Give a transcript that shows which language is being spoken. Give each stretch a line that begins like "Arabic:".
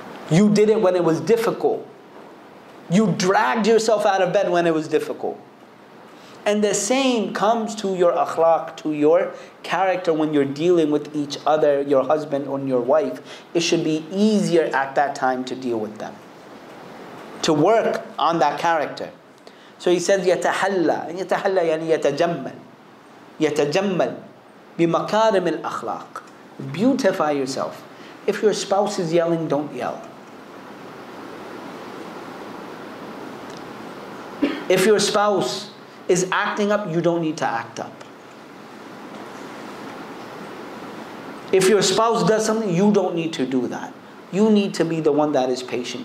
English: You did it when it was difficult. You dragged yourself out of bed when it was difficult. And the same comes to your akhlaq, to your character when you're dealing with each other, your husband or your wife. It should be easier at that time to deal with them, to work on that character. So he says,
Arabic: يَتَحَلَّى يعني يَتَجَمَّل يَتَجَمَّل بِمَكَارِمِ الْأَخْلَاقِ.
English: Beautify yourself. If your spouse is yelling, don't yell. If your spouse is acting up, you don't need to act up. If your spouse does something, you don't need to do that. You need to be the one that is patient.